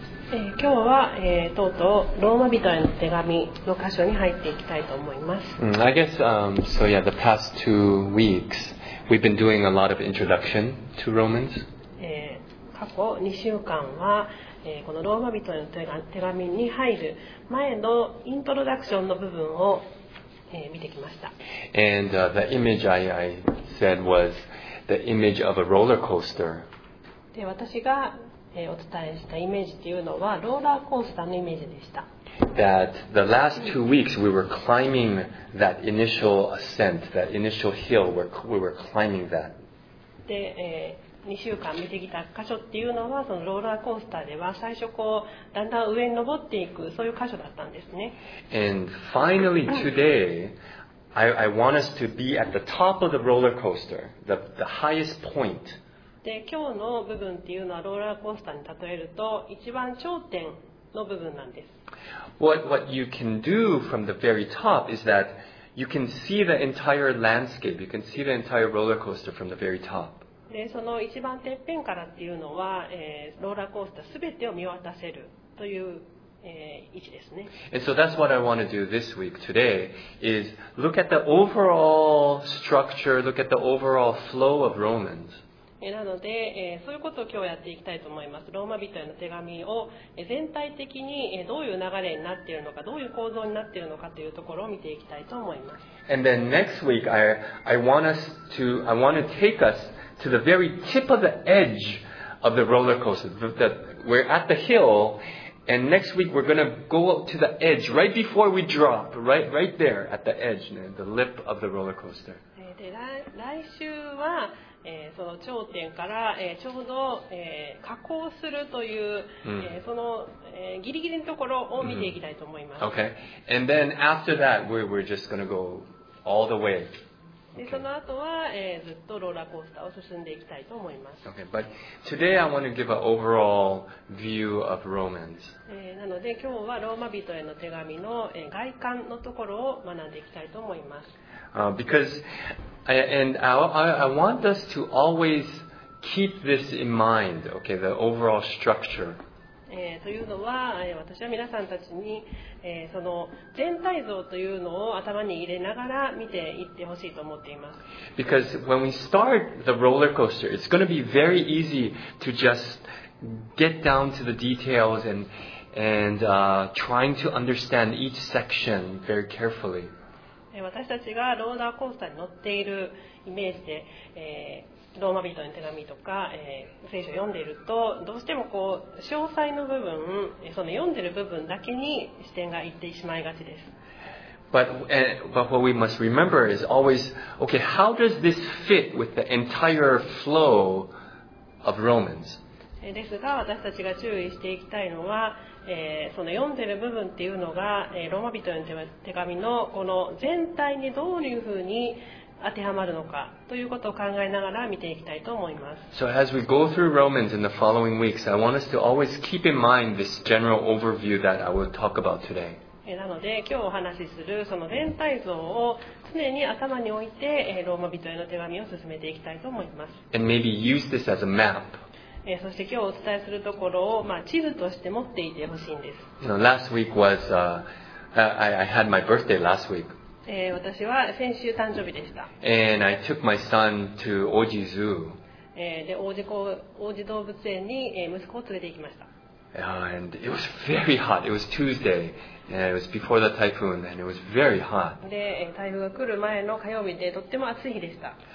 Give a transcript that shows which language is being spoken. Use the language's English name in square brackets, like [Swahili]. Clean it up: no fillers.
[Japanese] 今日は、とうとうローマ人への手紙の箇所に入っていきたいと思います。 [English] I guess, so yeah, the past two weeks, we've been doing a lot of introduction to Romans. [Japanese] 過去2週間は、このローマ人への手紙に入る前のイントロダクションの部分を見てきました。 [English] And the image I said was the image of a roller coaster. [Japanese] で、私がお伝えしたイメージというのはローラーコースターのイメージでした。 [English] That the last two weeks we were climbing that initial ascent, that initial hill, we were climbing that. [Japanese] で、2週間見てきた箇所っていうのはそのローラーコースターでは最初こうだんだん上に登っていくそういう箇所だったんですね。 [English] And finally today, I want us to be at the top of the roller coaster, the highest point. [Japanese] で今日の部分っていうのはローラーコースターに例えると一番頂点の部分なんです。 [English] What you can do from the very top is that you can see the entire landscape. You can see the entire roller coaster from the very top. [Japanese] でその一番てっぺんからっていうのは、ローラーコースターすべてを見渡せるという、位置ですね。 [English] And so that's what I want to do this week today is look at the overall structure, look at the overall flow of Romans. [Japanese] なので、そういうことを今日やっていきたいと思います。ローマ人への手紙を全体的にどういう流れになっているのか、どういう構造になっているのかというところを見ていきたいと思います。 [English] And then next week, I want to take us to the very tip of the edge of the roller coaster. We're at the hill, and next week we're going to go up to the edge right before we drop, right there at the edge, the lip of the roller coaster. [Japanese] で、来週はその頂点から、ちょうど、下降するという、その、ギリギリのところを見ていきたいと思います。 [English] Okay. And then after that, we're just going to go all the way. [Japanese] で、その後は、ずっとローラーコースターを進んでいきたいと思います。 [English] Okay. But today I want to give an overall view of Romans. [Japanese] なので今日はローマ人への手紙の、外観のところを学んでいきたいと思います。 [English] I want us to always keep this in mind, okay, the overall structure. [Japanese] というのは、私は皆さんたちに、その全体像というのを頭に入れながら見ていってほしいと思っています。 [English] Because when we start the roller coaster, it's going to be very easy to just get down to the details and trying to understand each section very carefully. [Japanese] 私たちがローラーコースターに乗っているイメージで、ローマ人への手紙とか、聖書を読んでいるとどうしてもこう詳細の部分その読んでいる部分だけに視点がいってしまいがちです [English] but what we must remember is always okay, how does this fit with the entire flow of Romans? [Japanese] ですが私たちが注意していきたいのはその読んでる部分っていうのが、ローマ人の手紙のこの全体にどういうふうに当てはまるのかということを考えながら見ていきたいと思います。 [English] So as we go through Romans in the following weeks, I want us to always keep in mind this general overview that I will talk about today. [Japanese] なので今日お話しするその全体像を常に頭に置いて、ローマ人への手紙を進めていきたいと思います。 [English] And maybe use this as a map. [Japanese] そして今日お伝えするところを、まあ、地図として持っていてほしいんです。 [English] No, last week was, I had my birthday last week. [Japanese] 私は先週誕生日でした。 [English] And I took my son to Oji Zoo. [Japanese] で、王子動物園に息子を連れて行きました。 [English] And it was very hot. It was Tuesday. It was before the typhoon, and it was very hot. [Japanese] で、台風が来る前の火曜日でとっても暑い日でした。